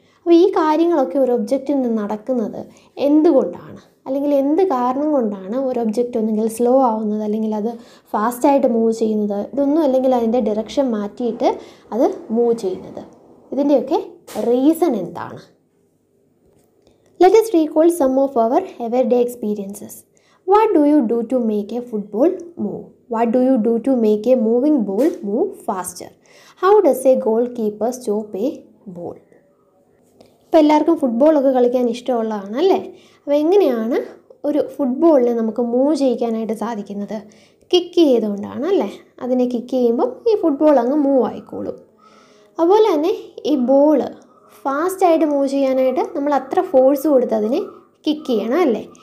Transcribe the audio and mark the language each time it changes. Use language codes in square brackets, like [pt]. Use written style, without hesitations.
[ml] അപ്പോൾ ഈ കാര്യങ്ങളൊക്കെ ഒരു ഒബ്ജക്റ്റിൽ നിന്ന് നടക്കുന്നത് എന്തുകൊണ്ടാണ് അല്ലെങ്കിൽ എന്ത് കാരണം കൊണ്ടാണ് ഒരു ഒബ്ജക്റ്റ് ഒന്നുകിൽ സ്ലോ ആവുന്നത് അല്ലെങ്കിൽ അത് ഫാസ്റ്റായിട്ട് മൂവ് ചെയ്യുന്നത്, ഇതൊന്നും അല്ലെങ്കിൽ അതിൻ്റെ ഡിറക്ഷൻ മാറ്റിയിട്ട് അത് മൂവ് ചെയ്യുന്നത്, ഇതിൻ്റെയൊക്കെ റീസൺ എന്താണ്? [en] Let us recall some of our everyday experiences. What do you do to make a football move? What do you do to make a moving ball move faster? How does a goalkeeper stop a ball? [ml] ഇപ്പോൾ എല്ലാവർക്കും ഫുട്ബോളൊക്കെ കളിക്കാൻ ഇഷ്ടമുള്ളതാണ് അല്ലേ. അപ്പോൾ എങ്ങനെയാണ് ഒരു ഫുട്ബോളിനെ നമുക്ക് മൂവ് ചെയ്യിക്കാനായിട്ട് സാധിക്കുന്നത്? കിക്ക് ചെയ്തുകൊണ്ടാണ് അല്ലേ. അതിനെ കിക്ക് ചെയ്യുമ്പം ഈ ഫുട്ബോൾ അങ്ങ് മൂവ് ആയിക്കോളും. അതുപോലെ തന്നെ ഈ ബോള് ഫാസ്റ്റായിട്ട് മൂവ് ചെയ്യാനായിട്ട് നമ്മൾ അത്ര ഫോഴ്സ് കൊടുത്ത് അതിനെ കിക്ക് ചെയ്യണം അല്ലേ.